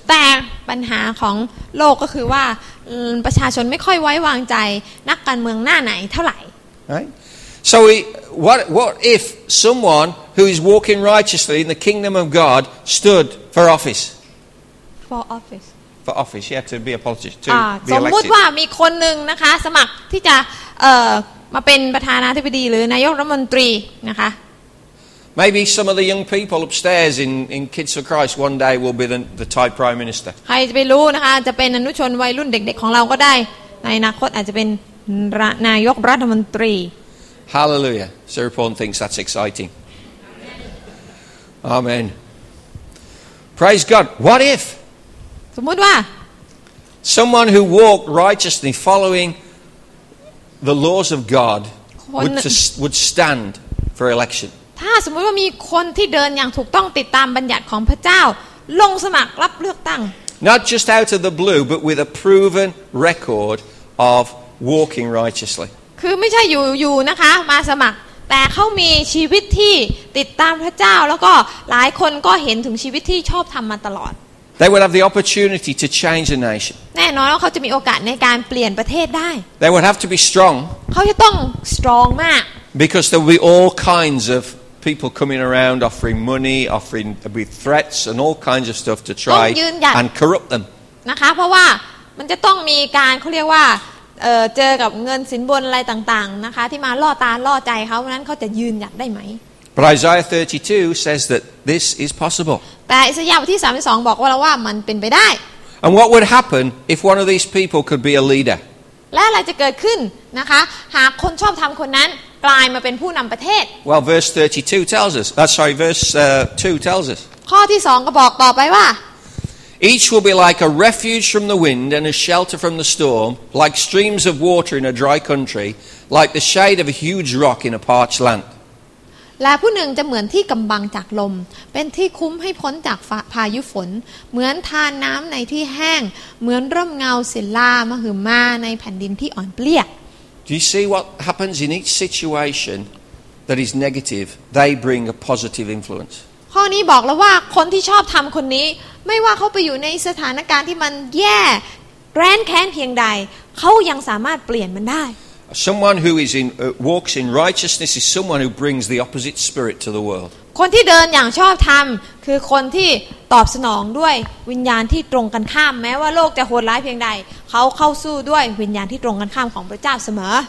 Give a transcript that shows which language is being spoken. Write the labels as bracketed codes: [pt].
[th] แต่ปัญหาของโลกก็คือว่าประชาชนไม่ค่อยไว้วางใจนักการเมืองหน้าไหนเท่าไหร่ [en] right so what if someoneWho is walking righteously in the kingdom of God stood for office? For office. For office. Yeah, to be a politician. To be elected. [th] สมมติว่ามีคนหนึ่งนะคะสมัครที่จะมาเป็นประธานาธิบดีหรือนายกรัฐมนตรีนะคะ [en] Maybe some of the young people upstairs in Kids for Christ one day will be the Thai Prime Minister. [th] ใครจะไปรู้นะคะจะเป็นอนุชนวัยรุ่นเด็กๆของเราก็ได้ในอนาคตอาจจะเป็นนายกรัฐมนตรี [en] Hallelujah. Sarah Porn thinks that's exciting. Amen. Praise God. What if? [th] สมมติว่า [en] someone who walked righteously following the laws of God would stand for election. [th] ถ้าสมมติว่ามีคนที่เดินอย่างถูกต้องติดตามบัญญัติของพระเจ้าลงสมัครรับเลือกตั้ง [en] Not just out of the blue but with a proven record of walking righteously. [th] คือไม่ใช่อยู่นะคะมาสมัครแต่เขามีชีวิตที่ติดตามพระเจ้าแล้วก็หลายคนก็เห็นถึงชีวิตที่ชอบทำมาตลอด [en] They would have the opportunity to change the nation [th] แน่นอนว่าเขาจะมีโอกาสในการเปลี่ยนประเทศได้ [en] They would have to be strong [th] เขาจะต้อง strong มาก [en] Because there will be all kinds of people coming around offering money offering with threats and all kinds of stuff to try and corrupt them [th] นะคะเพราะว่ามันจะต้องมีการเขาเรียกว่าเจอกับเงินสินบนอะไรต่างๆนะคะที่มาล่อตาล่อใจเขานั้นเขาจะยืนหยัดได้ไหม [en] But Isaiah 32 says that this is possible [th] แต่อิสยาห์บทที่32บอกว่าแล้วว่ามันเป็นไปได้ [en] And what would happen if one of these people could be a leader [th] และอะไรจะเกิดขึ้นนะคะหากคนชอบธรรมคนนั้นกลายมาเป็นผู้นำประเทศ [en] Well verse 32 tells us that's sorry verse 2 tells us [th] ข้อที่2ก็บอกต่อไปว่า [en] Each will be like a refuge from the wind and a shelter from the storm, like streams of water in a dry country, like the shade of a huge rock in a parched land. [th] และผู้หนึ่งจะเหมือนที่กำบังจากลมเป็นที่คุ้มให้พ้นจากพายุฝนเหมือนทานน้ำในที่แห้งเหมือนร่มเงาศิลามหึมาในแผ่นดินที่อ่อนเปลี้ย [en] Do you see what happens in each situation that is negative? They bring a positive influence. [th] ข้อนี้บอกแล้วว่าคนที่ชอบทำคนนี้ไม่ว่าเขาไปอยู่ในสถานการณ์ที่มันแย่แกร้นแค้นเพียงใดเขายังสามารถเปลี่ยนมันได้ [en] Someone who is in walks in righteousness is someone who brings the opposite spirit to the world [th] คนที่เดินอย่างชอบธรรมคือคนที่ตอบสนองด้วยวิญญาณที่ตรงกันข้ามแม้ว่าโลกจะโหดร้ายเพียงใดเขาเข้าสู้ด้วยวิญญาณที่ตรงกันข้ามของพระเจ้าเสมอ